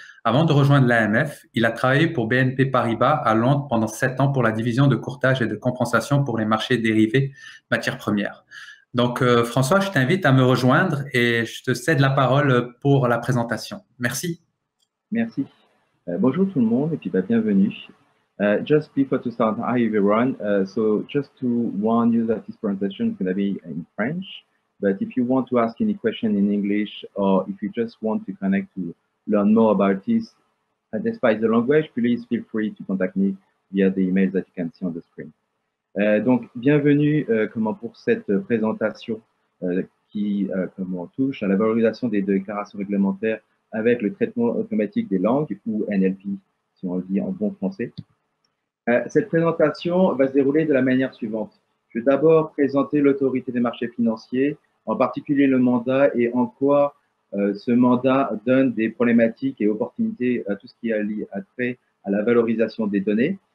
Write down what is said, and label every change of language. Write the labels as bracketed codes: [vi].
[fr] Avant de rejoindre l'AMF, il a travaillé pour BNP Paribas à Londres pendant 7 ans pour la division de courtage et de compensation pour les marchés dérivés matières premières. Donc, François, je t'invite à me rejoindre et je te cède la parole pour la présentation. Merci. Merci. Bonjour tout le monde et puis bienvenue. [en] Just before to start, hi everyone. So just to warn you that this presentation is going to be in French, but if you want to ask any question in English or if you just want to connect to learn more about this, despite the language, please feel free to contact me via the email that you can see on the screen. [fr] Donc bienvenue comment pour cette présentation qui comment touche à la valorisation des déclarations réglementaires avec le traitement automatique des langues, ou NLP, si on le dit en bon français. Cette présentation va se dérouler de la manière suivante. Je vais d'abord présenter l'autorité des marchés financiers, en particulier le mandat et en quoi ce mandat donne des problématiques et opportunités à tout ce qui a trait à la valorisation des données.